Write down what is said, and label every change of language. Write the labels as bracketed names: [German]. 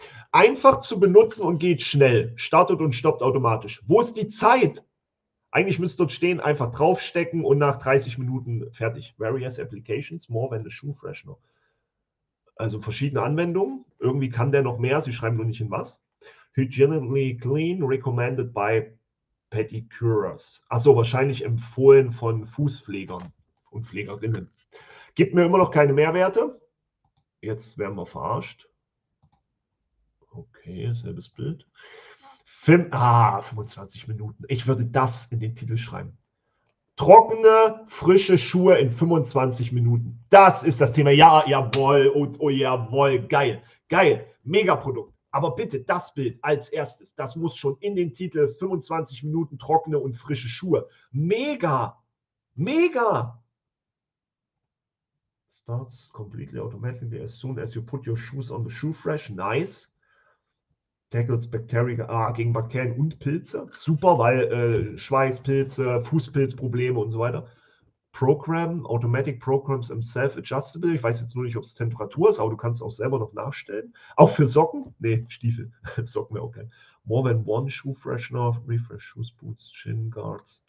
[German] Einfach zu benutzen und geht schnell. Startet und stoppt automatisch. Wo ist die Zeit? Eigentlich müsst ihr dort stehen, einfach draufstecken und nach 30 Minuten fertig. [English] Various applications, more than a shoe freshener. [German] Also verschiedene Anwendungen. Irgendwie kann der noch mehr. Sie schreiben nur nicht in was. [English] Hygienically clean, recommended by pedicurists. [German] Achso, wahrscheinlich empfohlen von Fußpflegern und Pflegerinnen. Gibt mir immer noch keine Mehrwerte. Jetzt werden wir verarscht. Okay, selbes Bild. 25 Minuten. Ich würde das in den Titel schreiben. Trockene, frische Schuhe in 25 Minuten. Das ist das Thema. Ja, jawohl. Und, oh, jawohl. Geil. Geil. Megaprodukt. Aber bitte das Bild als erstes, das muss schon in den Titel 25 Minuten trockene und frische Schuhe. Mega! Mega! [English] Starts completely automatically as soon as you put your shoes on the shoe fresh. Nice. Tackles Bacteria, [German] gegen Bakterien und Pilze. Super, weil Schweißpilze, Fußpilzprobleme und so weiter. [English] Program, Automatic Programs [German] im [English] Self-Adjustable. [German] Ich weiß jetzt nur nicht, ob es Temperatur ist, aber du kannst auch selber noch nachstellen. Auch für Socken? Nee, Stiefel. Socken wäre okay. [English] More than one Shoe Freshener, Refresh Shoes, Boots, Shin Guards.